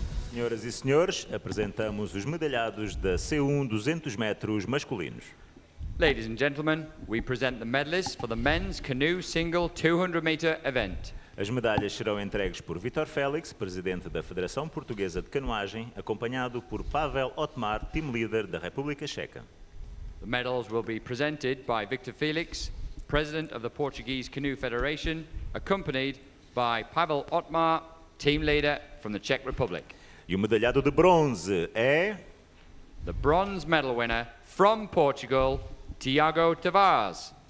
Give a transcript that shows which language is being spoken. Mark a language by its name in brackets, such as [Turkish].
[Portuguese] Senhoras e senhores, apresentamos os medalhados da C1 200 metros masculinos. [English] Ladies and gentlemen, we present the medalists for the men's canoe single 200 meter event. [Portuguese] As medalhas serão entregues por Vítor Félix, presidente da Federação Portuguesa de Canoagem, acompanhado por Pavel Otmar, team leader da República Checa. [English] The medals will be presented by Vítor Félix, president of the Portuguese Canoe Federation, accompanied by Pavel Otmar, team leader from the Czech Republic. [Portuguese] E o medalhado de bronze é... [English] The bronze medal winner from Portugal, Tiago Tavares.